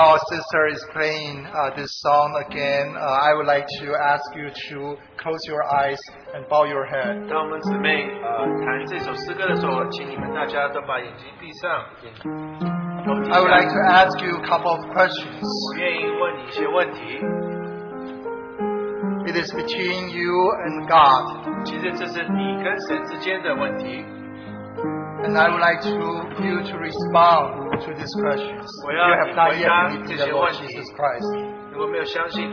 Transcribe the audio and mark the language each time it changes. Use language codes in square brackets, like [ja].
[en] sister is playing this song again, I would like to ask you to close your eyes and bow your head. [zh] 当我们姊妹弹这首诗歌的时候，请你们大家都把眼睛闭上。 [en] I would like to ask you a couple of questions. [zh] 我愿意问你一些问题。 [en] It is between you and God. [zh] 其实这是你跟神之间的问题。 [en] And I would like to, you to respond to these questions. You have not yet believed in the Lord Jesus Christ.